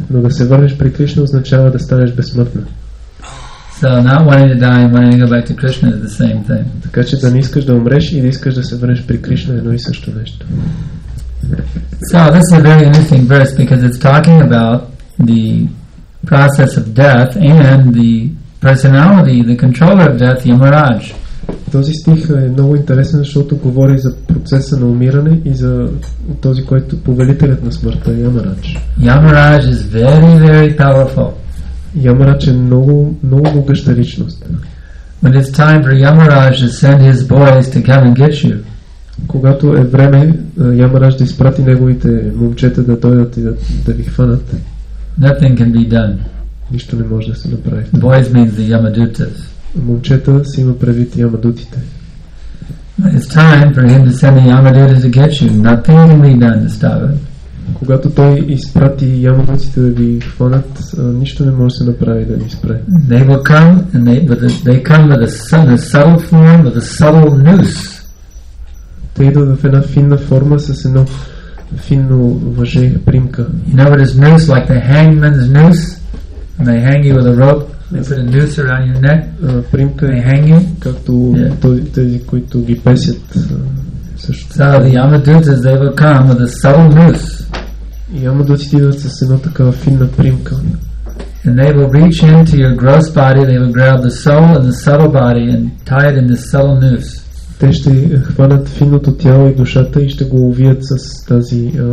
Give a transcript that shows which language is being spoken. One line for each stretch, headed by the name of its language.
Bulgarian: Но да се върнеш при Кришна означава да станеш безсмъртна.
English: So not wanting to die and wanting to go back to Krishna is the same thing.
Bulgarian: Така че да не искаш да умреш и да искаш да се върнеш при Кришна едно и също нещо.
English: So this is a very interesting verse because it's talking about the process of death and the personality, the controller of death, Yamaraj.
Bulgarian: Този стих е много интересен, защото говори за процеса на умиране и за този, който повелителят на смъртта, Yamaraj.
English: Yamaraj is very, very powerful.
Bulgarian: Yamaraj е много, много могъща личност.
English: When it's time for Yamaraj to send his boys to come and get you.
Bulgarian: Когато е време Ямараш да изпрати неговите момчета да дойдат и да ви хванат.
English: Nothing can be done.
Bulgarian: Нищо не може да се направи.
English: Boys means the Yamadutas.
Bulgarian: Момчета си има правит Ямадутите.
English: It's time for him to send the Yamadutas to get you. Nothing can be done to stop it.
Bulgarian: Когато той изпрати Ямадутите да ви хванат, нищо не може да се направи да ви спре.
English: They will come and they come with a subtle form, with a subtle noose.
Bulgarian: Те идват в една финна форма с едно финно въже, примка.
English: You know what is noose? Like the hangman's noose? And they hang you with a rope, they put a noose around your neck,
Bulgarian: примка,
English: they hang you.
Bulgarian: Както тези, които ги песят.
English: So the Yamadutas, they will come with a subtle noose.
Bulgarian: Yamadutas идват с едно такава финна примка.
English: And they will reach into your gross body, they will grab the soul and the subtle body and tie it in this subtle noose.
Bulgarian: Те ще хванат финото тяло и душата и ще го увият с тази